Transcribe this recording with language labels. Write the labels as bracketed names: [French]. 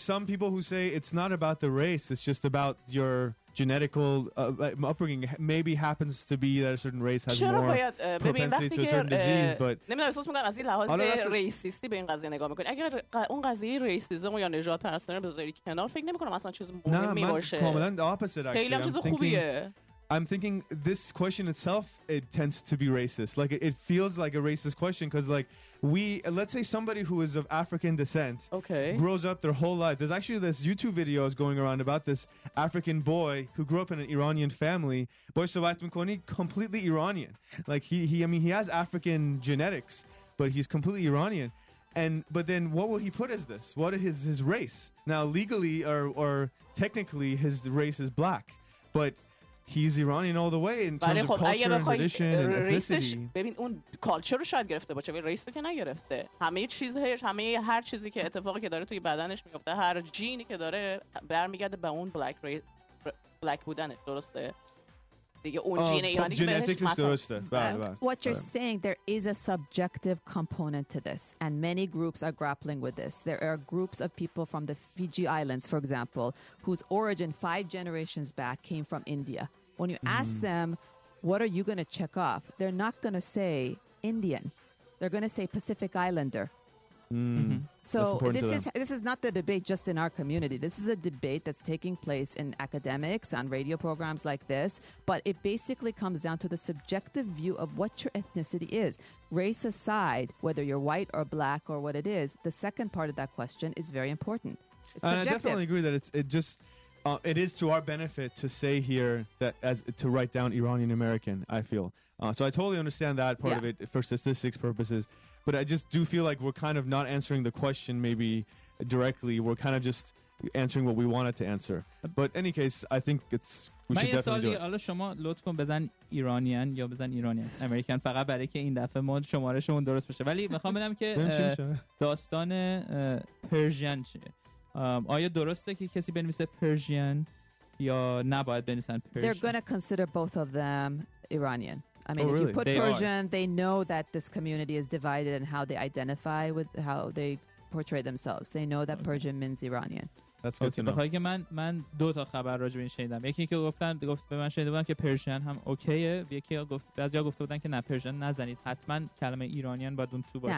[English] some people who say it's not about the race, it's just about your genetical upbringing. Maybe happens to be that a certain race has more propensity to a certain disease, but [Persian] نمیدونم احساس میکنم از این لحاظ ریسیستی به این قضیه نگاه میکنی. اگر اون قضیه ریسیسم یا نژاد پرستانه رو بذاری کنار، فکر نمیکنم اصلا چیز مهمی باشه. کاملا [English] opposite actually. [Persian] خیلی هم چیز خوبیه. [English] I'm thinking this question itself, it tends to be racist. Like, it feels like a racist question because, like, let's say somebody who is of African descent grows up their whole life. There's actually this YouTube video is going around about this African boy who grew up in an Iranian family. Boy Sobat Mkoni, completely Iranian. Like, he has African genetics, but he's completely Iranian. But then what would he put as this? What is his race? Now, legally or technically, his race is black, but... He's Iranian all the way in terms of culture and tradition and ethnicity. [Persian] ببین اون کالچر رو شاید گرفته باشه، ولی ریس رو که نگرفته. هر چیزی که اتفاقی که داره توی بدنش میفته، هر جینی که داره برمیگرده به اون بلک بودنش، درسته؟ دیگه اون جین ایرانی که بهش مثلا درسته. [English] What you're saying, there is a subjective component to this and many groups are grappling with this. There are groups of people from the Fiji Islands, for example, whose origin 5 generations back came from India. When you ask them, what are you going to check off? They're not going to say Indian. They're going to say Pacific Islander. So this is not the debate just in our community. This is a debate that's taking place in academics, on radio programs like this. But it basically comes down to the subjective view of what your ethnicity is. Race aside, whether you're white or black or what it is, the second part of that question is very important. And I definitely agree that it is to our benefit to say here that as to write down Iranian American, I feel. So I totally understand that part of it for statistics purposes. But I just do feel like we're kind of not answering the question maybe directly. We're kind of just answering what we wanted to answer. But in any case, I think we should definitely do it. [Persian] حالا شما لطف کن بزن ایرانیان یا بزن ایرانیان امریکن فقط برای که این دفعه مود شمارشمون درست بشه. ولی میخوام بگم که داستان پرژین چیه؟ آیا درسته که کسی بنویسه پرژین یا نباید بنویسن پرژین؟ [English] They're going to consider both of them Iranian. I mean, if you put Persian, they know that this community is divided and how they identify with how they portray themselves. They know that Persian means Iranian. That's good to know. [Persian] بخواهی که من دو تا خبر راجع به این شنیدم. یکی که گفتن گفت به من شنیده بودن که پرشین هم اوکیه. یکی گفت بعضیا گفته بودن که نه پرشین نزنید. حتما کلمه ایرانیان باید اون تو باشه.